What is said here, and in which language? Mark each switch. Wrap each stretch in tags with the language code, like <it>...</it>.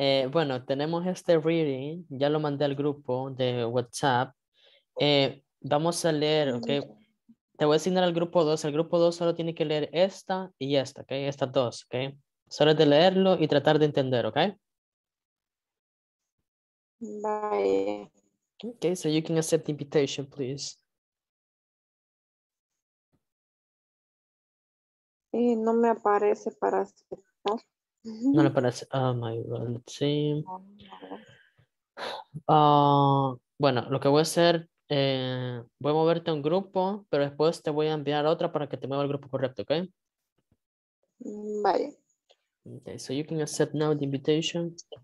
<es>bueno, tenemos este reading. Ya lo mandé al grupo de WhatsApp. Vamos a leer, ok. Te voy a asignar al grupo 2. El grupo 2 solo tiene que leer esta y esta, ok. Estas dos, ok. Solo es de leerlo y tratar de entender, ok.</es> <en>Bye. Ok, so you can accept the invitation, please.</en> <es>No me aparece para aceptar. No le parece.</es> <en>Oh my God, let's see.</en> <es>Bueno, lo que voy a hacer, voy a moverte a un grupo, pero después te voy a enviar otra para que te mueva al grupo correcto, ¿ok? Vale.</es> <en>Okay, so you can accept now the invitation.</en>